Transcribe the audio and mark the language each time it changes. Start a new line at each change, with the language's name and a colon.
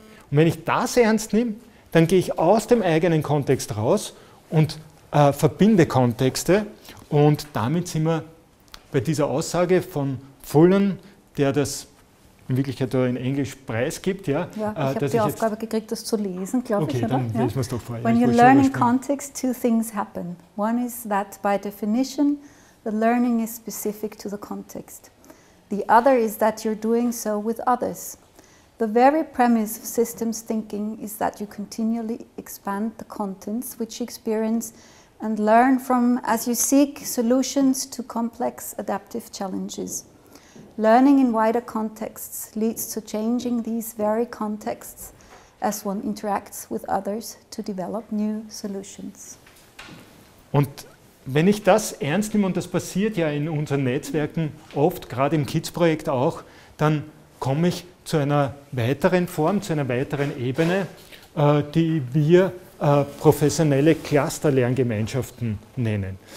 German: Und wenn ich das ernst nehme, dann gehe ich aus dem eigenen Kontext raus und verbinde Kontexte. Und damit sind wir bei dieser Aussage von Fullen, der das in Wirklichkeit in Englisch preisgibt. Ja, ja, ich habe die Aufgabe gekriegt, das zu lesen, glaube okay, ich. Okay, dann lesen wir es doch vor.
English: When you learn in context, two things happen. One is that by definition, the learning is specific to the context. The other is that you're doing so with others. The very premise of systems thinking is that you continually expand the contents which you experience and learn from as you seek solutions to complex adaptive challenges. Learning in wider contexts leads to changing these very contexts as one interacts with others to develop new solutions.
German: Und wenn ich das ernst nehme, und das passiert ja in unseren Netzwerken oft, gerade im KIDS-Projekt auch, dann komme ich zu einer weiteren Form, zu einer weiteren Ebene, die wir professionelle Cluster-Lerngemeinschaften nennen.